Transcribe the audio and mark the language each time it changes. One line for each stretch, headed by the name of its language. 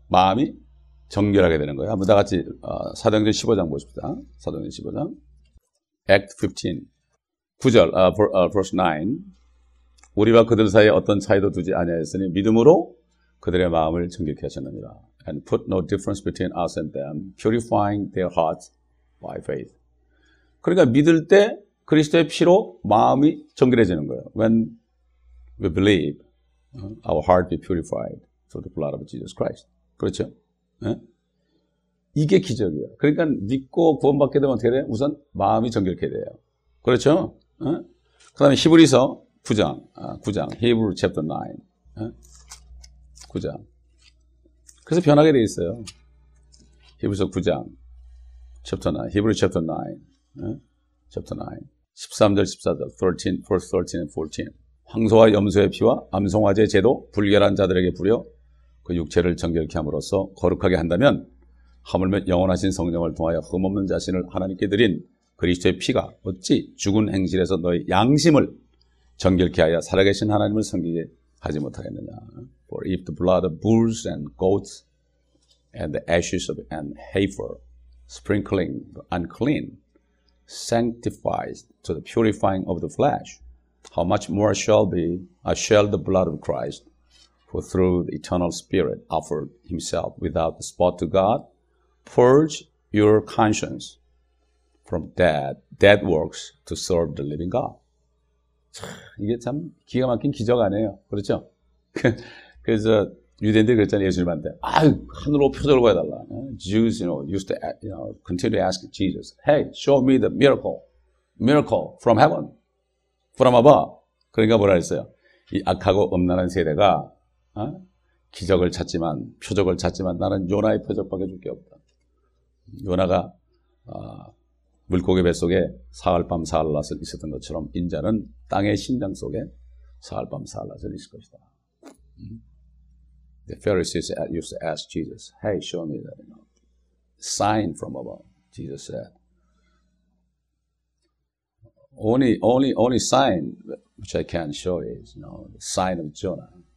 Korean: 마음이 정결하게 되는 거예요. 한번 다 같이 사도행전 15장 보십시다. 사도행전 15장 Act 15 9절 verse 9 우리와 그들 사이에 어떤 차이도 두지 아니하였으니 믿음으로 그들의 마음을 정결케 하셨느니라.
English: And put no difference between us and them, purifying their hearts by faith.
Korean: 그러니까 믿을 때 그리스도의 피로 마음이 정결해지는 거예요.
English: When we believe, our heart be purified through the blood of Jesus Christ.
Korean: 그렇죠? 네? 이게 기적이에요. 그러니까 믿고 구원받게 되면 어떻게 돼요? 우선 마음이 정결케 돼요. 그렇죠? 네? 그 다음에 히브리서 9장, 히브리 챕터 9. 네? 9장. 그래서 변하게 돼 있어요. 히브리서 9장, 챕터 9. 히브리 챕터 9. 네? 챕터 9. 13절, 14절, 13, 14. 황소와 염소의 피와 암송화제 제도 불결한 자들에게 뿌려 그 육체를 정결케 함으로써 거룩하게 한다면 하물며 영원하신 성령을 통하여 흠 없는 자신을 하나님께 드린 그리스도의 피가 어찌 죽은 행실에서 너의 양심을 정결케 하여 살아계신 하나님을 섬기게 하지 못하겠느냐.
English: For if the blood of bulls and goats and the ashes of an heifer sprinkling the unclean sanctifies to the purifying of the flesh, how much more shall the blood of Christ who through the eternal spirit offered himself without spot to God, purge your conscience from dead works to serve the living God.
Korean: 이게 참 기가 막힌 기적 아니에요. 그렇죠? 그래서 유대인들이 그랬잖아요. 예수님한테. 아유, 하늘로 표적을 보여달라.
English: Jews, used to continue to ask Jesus, hey, show me the miracle from heaven, from above.
Korean: 그러니까 뭐라 했어요? 이 악하고 음란한 세대가 기적을 찾지만 표적을 찾지만 나는 요나의 표적밖에 줄 게 없다. 요나가 물고기 뱃속에 사흘 밤 사흘 낮을 있었던 것처럼 인자는 땅의 심장 속에 사흘 밤 사흘 낮을 있을 것이다.
English: The Pharisees used to ask Jesus, hey, show me that sign from above. Jesus said, only sign which I can show is the sign of Jonah.